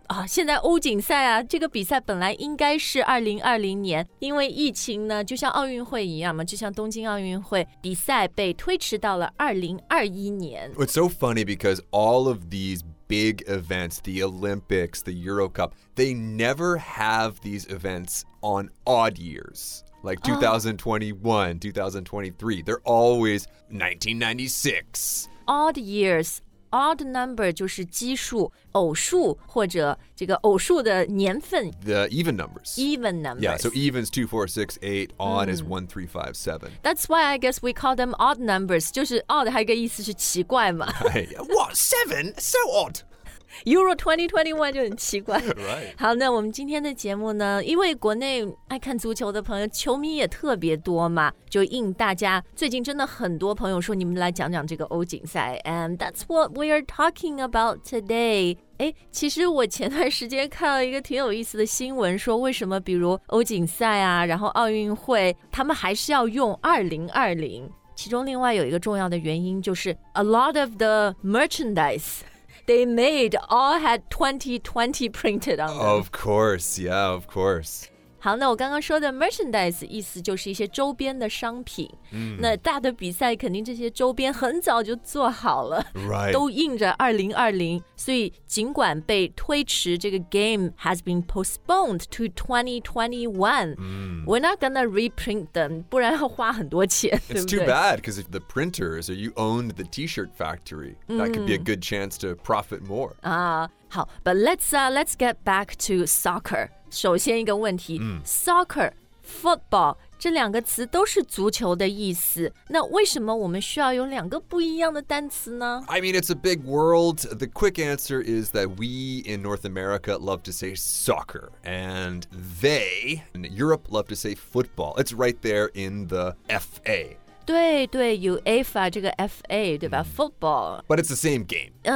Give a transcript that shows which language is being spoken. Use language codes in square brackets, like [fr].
[zh] 现在欧锦赛啊，这个比赛本来应该是2020年，因为疫情呢，就像奥运会一样嘛，就像东京奥运会，比赛被推迟到了2021年。 [en] It's so funny because all of these big events, the Olympics, the Euro Cup, they never have these events on odd years, like 2021, 2023. They're always 1996. Odd years. Odd number [zh] 就是奇数、偶数或者这个偶数的年份。 [en] The even numbers. Even numbers. Yeah, so even is 2, 4, 6, 8. Odd is 1, 3, 5, 7. That's why I guess we call them odd numbers. [zh] 就是 odd 还有个意思是奇怪嘛。 [en] What? 7? So odd! [zh] Euro 2021就很奇怪。 [en] Right. [zh] 好，那我们今天的节目呢，因为国内爱看足球的朋友，球迷也特别多嘛，就应大家最近真的很多朋友说，你们来讲讲这个欧锦赛。 [en] And that's what we are talking about today. [zh] 其实我前段时间看了一个挺有意思的新闻，说为什么比如欧锦赛啊，然后奥运会，他们还是要用2020。其中另外有一个重要的原因就是 [en] a lot of the merchandise. They made all had 2020 printed on them. Of course, yeah, of course. [zh] 好，那我刚刚说的 merchandise 意思就是一些周边的商品。 Mm. 那大的比赛肯定这些周边很早就做好了， [en] right. [zh] 都印着2020。所以尽管被推迟，这个 [en] game has been postponed to 2021.、 Mm. We're not gonna reprint them, [zh] 不然要花很多钱。 [en] It's [zh] 对不对 [en] too bad because if the printers or you owned the T-shirt factory, that could be a good chance to profit more. Ah. [zh] 好 [en] but let's get back to soccer. [zh] 首先一个问题、 mm. soccer, football, 这两个词都是足球的意思。那为什么我们需要有两个不一样的单词呢 [en] I mean, it's a big world. The quick answer is that we in North America love to say soccer, and they in Europe love to say football. It's right there in the FA. [zh] 对对 UEFA 这个 FA 对吧、mm. Football [en] But it's the same game、